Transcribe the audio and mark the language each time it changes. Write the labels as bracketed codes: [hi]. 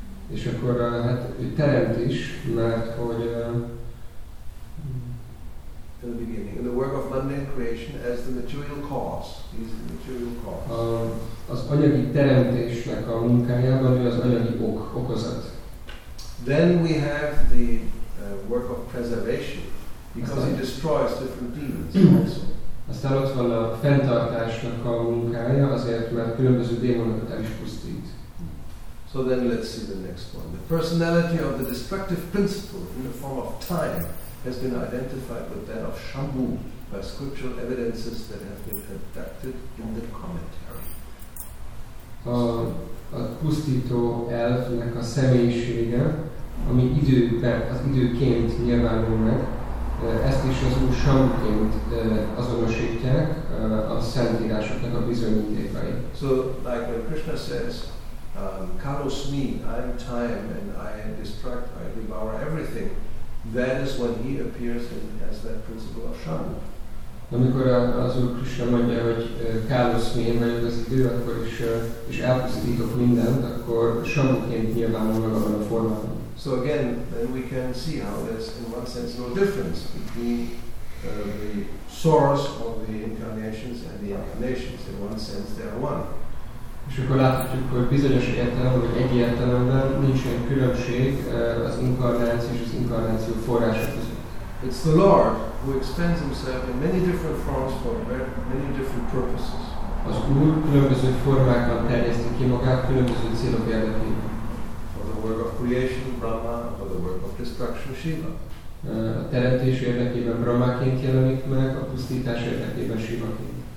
[hu] És akkor hát ő teremt is, mert hogy [en] in the beginning, in the work of mundane creation as the material cause, is the material cause. [hu] Az anyagi teremtésnek a munkájában ő az anyagi okozat. [en] Then we have the work of preservation, because he destroys different demons also. [hu] Aztán ott van a fenntartásnak a munkája, azért, mert különböző démonokat el is pusztít. [en] So then let's see the next one. The personality of the destructive principle in the form of time has been identified with that of Shambhu by scriptural evidences that have been adapted in the commentary. [hu] A pusztító elfnek a személyisége, ami időként nyilvánul meg, ezt is az Úr Shambhuként azonosítják a szentírásoknak a bizonyítékai. [en] So, like when Krishna says, Karosmi, I am time and I am destruct, I devour everything, that is when he appears as that principle of Shambhu. [hu] Amikor az Úr Krishna mondja, hogy Karosmi, én vagyok az idő, akkor is, és elpusztítok mindent, akkor Shambhuként nyilvánul meg abban a formában. [en] So again, then we can see how there's, in one sense, no difference between the source of the incarnations and the incarnations. In one sense, they are one. [hu] És akkor láthatjuk, hogy bizonyos értelemben, vagy egy értelemben nincsen különbség az inkarnáció és az inkarnáció forrása között. [en] It's the Lord who expands himself in many different forms for many different purposes. [hu] Az Úr különböző formákban terjeszti ki magát különböző célok érdekében. [en] Work of creation, Brahma, or the work of destruction, Shiva. [hu] A teremtés érdekében Brahmaként jelenik meg, a pusztítás érdekében Shivaként.